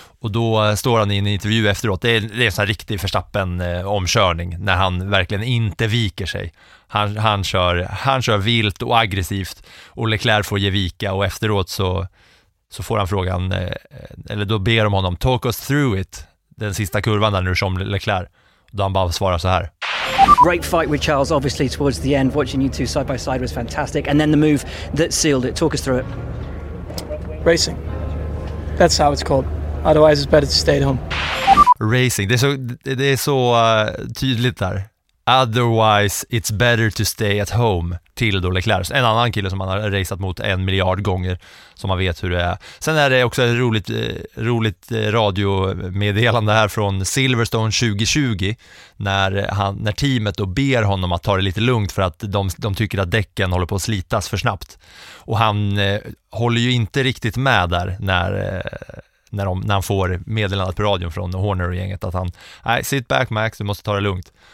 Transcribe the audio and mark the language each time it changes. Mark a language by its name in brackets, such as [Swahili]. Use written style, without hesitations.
[Swedish] Och då står han i en intervju efteråt. Det är en sån här riktig Verstappen omkörning när han verkligen inte viker sig. Han kör vilt och aggressivt och Leclerc får ge vika och efteråt så får han frågan, eller då ber de honom [English] talk us through it, [Swedish] den sista kurvan där nu som Leclerc, då han bara svarar så här: [English] great fight with Charles obviously towards the end, watching you two side by side was fantastic and then the move that sealed it, talk us through it. Racing, that's how it's called, otherwise it's better to stay at home. [Swedish] Racing, det är så tydligt där. [English] Otherwise it's better to stay at home, [Swedish] till då Leclerc, en annan kille som man har raceat mot en miljard gånger, som man vet hur det är. Sen är det också ett roligt radiomeddelande här från Silverstone 2020, när teamet då ber honom att ta det lite lugnt för att de tycker att däcken håller på att slitas för snabbt, och han håller ju inte riktigt med där när han får meddelandet på radion från Horner och gänget att han, nej, [English] sit back Max, [Swedish] du måste ta det lugnt.